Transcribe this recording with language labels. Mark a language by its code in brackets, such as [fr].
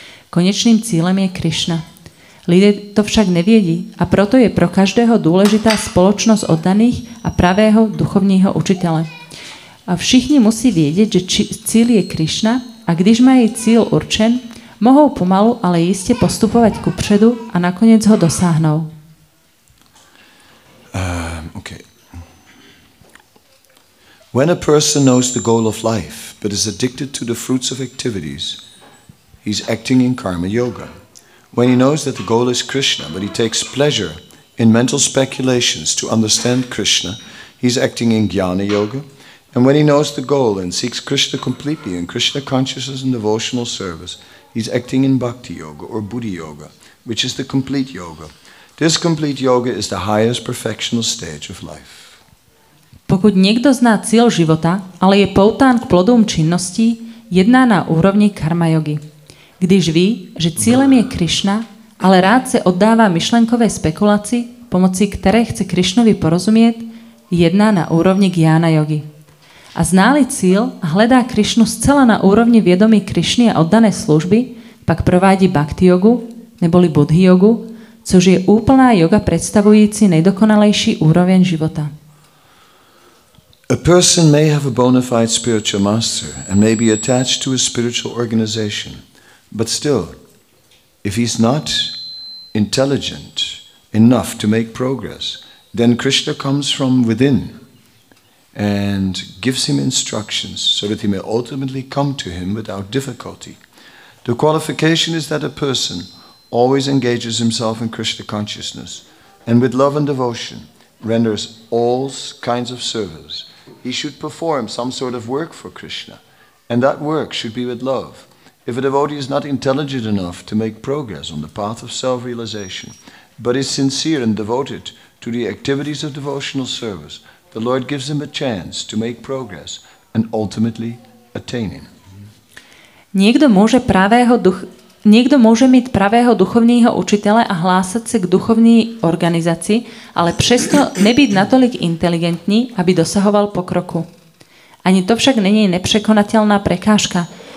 [cs] Konečným cílem je Krišna. Lidé to však nevědí a proto je pro každého důležitá společnost oddaných a pravého duchovního učitele. A všichni musí vědět, že cíl je Krišna a když mají cíl určen, mohou pomalu, ale jistě postupovat kupředu a nakonec ho dosáhnou. [en] Okay. When a person knows the goal of life, but is addicted to the fruits of activities, he's acting in karma yoga. When he knows that the goal is Krishna, but he takes pleasure in mental speculations to understand Krishna, he's acting in jnana yoga. And when he knows the goal and seeks Krishna completely in Krishna consciousness and devotional service, he's acting in bhakti yoga or buddhi yoga, which is the complete yoga. This complete yoga is the highest perfectional stage of life. [cs] Pokud někdo zná cíl života, ale je poután k plodům činností, jedná na úrovni karma yogi. Když ví, že cílem je Krishna, ale rád se oddává myšlenkové spekulaci, pomocí které chce Krishnovi porozumět, jedná na úrovni jnana yogi. A zná-li cíl a hledá Krišnu zcela na úrovni vědomí Krišny a oddané služby, pak provádí bhakti yogu, neboli buddhi yogu, což je úplná yoga představující nejdokonalejší úroveň života. A person may have a bona fide spiritual master and may be attached to a spiritual organization, but still, if he's not intelligent enough to make progress, then Krishna comes from within and gives him instructions so that he may ultimately come to him without difficulty. The qualification is that a person always engages himself in Krishna consciousness and with love and devotion renders all kinds of service. He should perform some sort of work for Krishna, and that work should be with love. If a devotee is not intelligent enough to make progress on the path of self-realization, but is sincere and devoted to the activities of devotional service, the Lord gives him a chance to make progress and ultimately attain him. [sk] Niekto môže pravého Niekto môže mať pravého duchovného učiteľa a hlásať sa k duchovnej organizácii, ale přesto nebyť natolik inteligentní, aby dosahoval pokroku. Ani to však není nepřekonateľná prekážka.